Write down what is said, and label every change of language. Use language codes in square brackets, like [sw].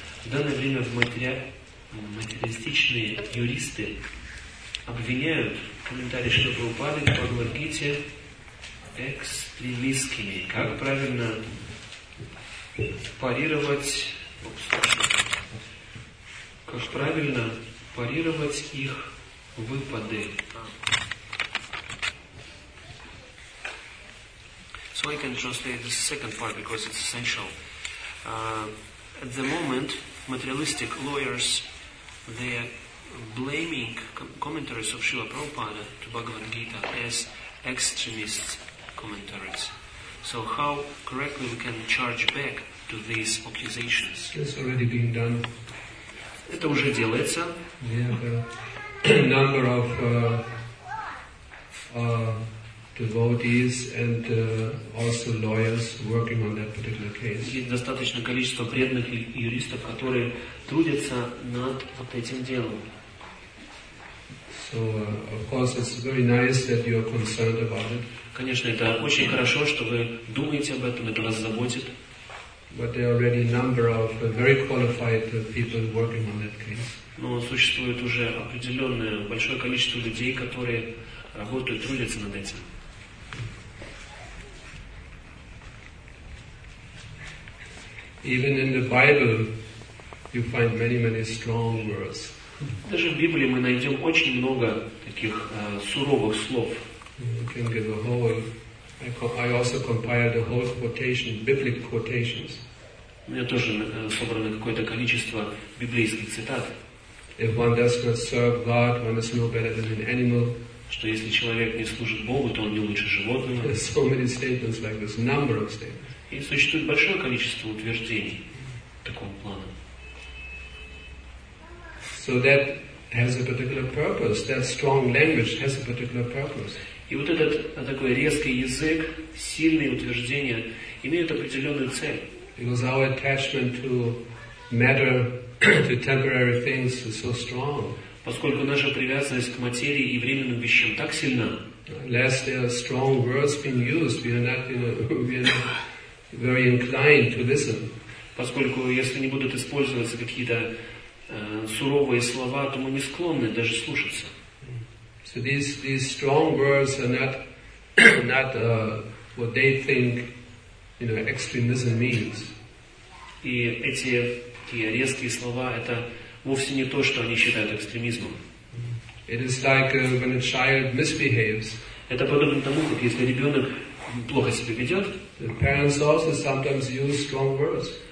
[ru] В данное время материалистичные юристы обвиняют комментарии Шрилы Прабхупады к Бхагавад-гите экстремистскими. Как правильно парировать их выпады? [en] So I can translate the second part because it's essential. At the moment, materialistic lawyers, they are blaming commentaries of Srila Prabhupada to Bhagavad Gita as extremist commentaries. So how correctly we can charge back to these accusations. It's already been done. [ru] Это уже делается. [en] We have a number of devotees and also lawyers working on that particular case. [ru] Есть достаточное количество преданных юристов, которые трудятся над вот этим делом. [en] So of course it's very nice that you are concerned about it. [ru] Конечно, это очень хорошо, что вы думаете об этом, это вас заботит. [en] But there are already a number of very qualified people working on that case. [ru] Но существует уже определенное большое количество людей, которые работают, трудятся над этим. [en] Even in the Bible, you find many, many strong words. [ru] Даже в Библии мы найдем очень много таких суровых слов. [en] You can give a whole. I also compiled a whole quotation, biblical quotations. [ru] У меня тоже собрано какое-то количество библейских цитат. [en] If one does not serve God, one is no better than an animal. [ru] Что если человек не служит Богу, то он не лучше животного. [en] There's so many statements like this, number of statements. [ru] И существует большое количество утверждений такого плана. [en] So that has a particular purpose. That strong language has a particular purpose. [ru] И вот этот такой резкий язык, сильные утверждения имеют определенную цель. [en] Because our attachment to matter, to temporary things is so strong. [ru] Поскольку наша привязанность к материи и временным вещам так сильна. [en] Unless there are strong words being used, we are not, you know, we are very inclined to listen. [ru] Поскольку если не будут использоваться какие-то суровые слова, то мы не склонны даже слушаться. [en] So these strong words are not what they think, you know, extremism means. [ru] И эти такие резкие слова это вовсе не то, что они считают экстремизмом. [en] It is like when a child misbehaves. [ru] Это подобно тому, как если ребенок плохо себя ведет. [en] The parents also sometimes use strong words.